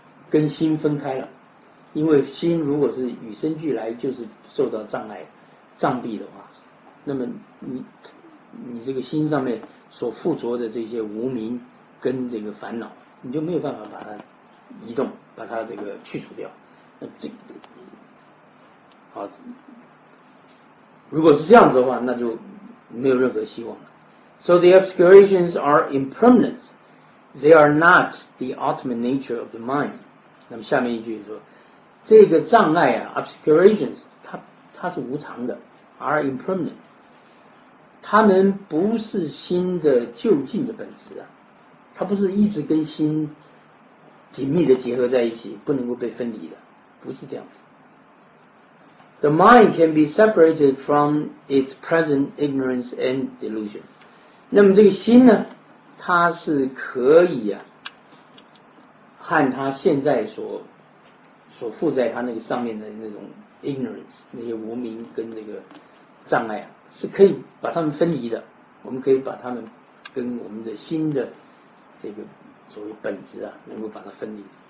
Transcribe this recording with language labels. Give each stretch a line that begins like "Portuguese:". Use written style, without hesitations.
Chinese: 跟心分开了，因为心如果是与生俱来就是受到障碍障蔽的话，那么你这个心上面所附着的这些无明跟这个烦恼，你就没有办法把它移动，把它这个去除掉。那这好，如果是这样子的话，那就没有任何希望了。
English: So the obscurations are impermanent. They are not the ultimate nature of the mind.
Chinese: 那么下面一句说，这个障碍啊 ，obscurations， 它是无常的 ，
English: are impermanent.
Chinese: 它们不是心的究竟的本质啊，它不是一直跟心紧密的结合在一起，不能够被分离的，不是这样子。
English: The mind can be separated from its present ignorance and delusion.
Chinese: 那么这个心呢，它是可以啊，和它现在所附在它那个上面的那种 ignorance， 那些无明跟那个障碍啊，是可以把它们分离的。我们可以把它们跟我们的心的这个所谓本质啊，能够把它分离。